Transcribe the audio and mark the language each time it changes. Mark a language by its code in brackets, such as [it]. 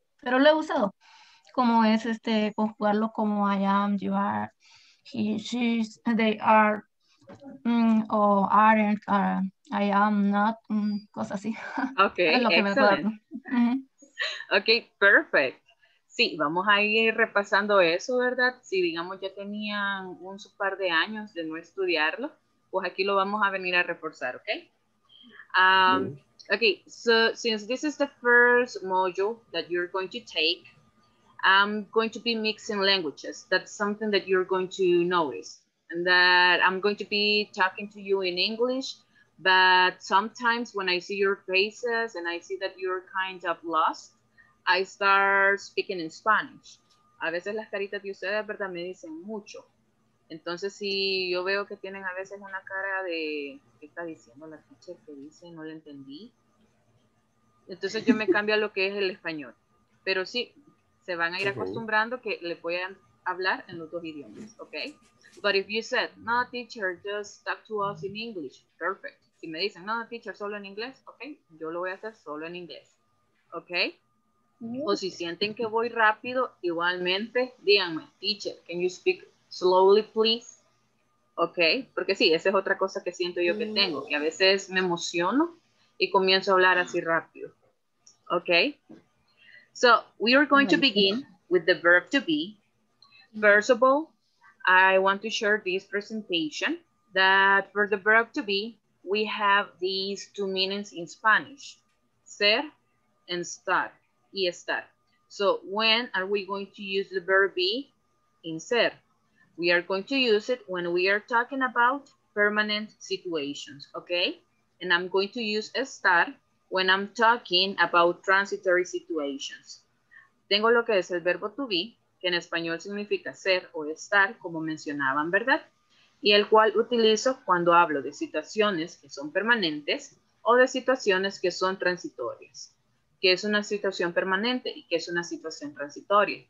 [es] Pero lo he usado, como es este, conjugarlo como [en] I am, you are, he, she's, they are, o aren't, I am, not, [es] cosas así. Ok, es lo que excellent. Me acuerdo. Ok, perfect. Sí, vamos a ir repasando eso, ¿verdad? Si, digamos, ya tenían un par de años de no estudiarlo, pues aquí lo vamos a venir a reforzar, ¿ok? [en] Okay, so since this is the first module that you're going to take, I'm going to be mixing languages. That's something that you're going to notice. And that I'm going to be talking to you in English, but sometimes when I see your faces and I see that you're kind of lost, I start speaking in Spanish. [es] A veces las caritas de ustedes, ¿verdad?, me dicen mucho. Entonces, si yo veo que tienen a veces una cara de, ¿qué está diciendo la teacher? ¿Qué dice? No la entendí. Entonces, yo me cambio a lo que es el español. Pero sí, se van a ir acostumbrando que le voy a hablar en los dos idiomas, ¿ok? [en] But if you said, no, teacher, just talk to us in English, perfect. [es] Si me dicen, no, teacher, solo en inglés, ¿ok? Yo lo voy a hacer solo en inglés, ¿ok? O si sienten que voy rápido, igualmente, díganme, teacher, [en] can you speak slowly, please? [es] Ok, porque sí, esa es otra cosa que siento yo que tengo, que a veces me emociono y comienzo a hablar así rápido. [en] Ok, so we are going to begin with the verb to be. First of all, I want to share this presentation that for the verb to be, we have these two meanings in Spanish, ser and estar. Y estar. So when are we going to use the verb be in ser? We are going to use it when we are talking about permanent situations, okay? And I'm going to use estar when I'm talking about transitory situations. [es] Tengo lo que es el verbo to be, que en español significa ser o estar, como mencionaban, ¿verdad? Y el cual utilizo cuando hablo de situaciones que son permanentes o de situaciones que son transitorias. ¿Qué es una situación permanente y qué es una situación transitoria?